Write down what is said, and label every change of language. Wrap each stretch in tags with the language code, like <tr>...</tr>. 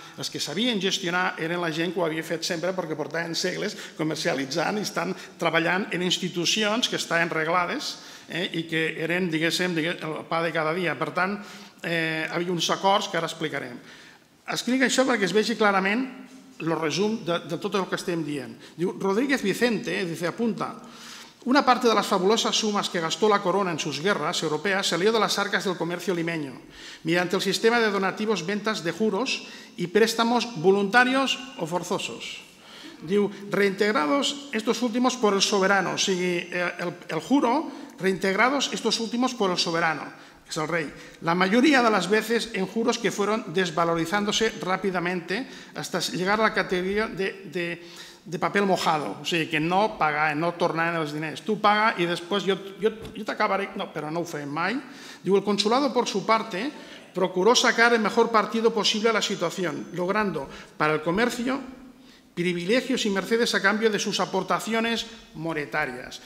<ca>Els que sabien gestionar eren la gent que ho havia fet sempre perquè portaven segles comercialitzant i estan treballant en institucions que estaven reglades i que eren, diguéssim, el pa de cada dia. Per tant, havia uns acords que ara explicarem. Escric això perquè es vegi clarament el resum de tot el que estem dient.</ca> <es>Diu, Rodríguez Vicente, dice, apunta, una parte de las fabulosas sumas que gastó la corona en sus guerras europeas salió de las arcas del comercio limeño, mediante el sistema de donativos, ventas de juros y préstamos voluntarios o forzosos. Diu, reintegrados estos últimos por el soberano,</es> <ca>o sigui, el juro,</ca> <es>reintegrados estos últimos por el soberano, que es el rey, la mayoría de las veces en juros que fueron desvalorizándose rápidamente hasta llegar a la categoría de papel mojado,</es> <ca>o sigui, que no pagaven, no tornaven els diners. Tu paga i després jo t'acabaré... No, però no ho feien mai.</ca> <es>Diu, el consulado, por su parte, procuró sacar el mejor partido posible a la situación, logrando para el comercio privilegios y mercedes a cambio de sus aportaciones monetarias.</es>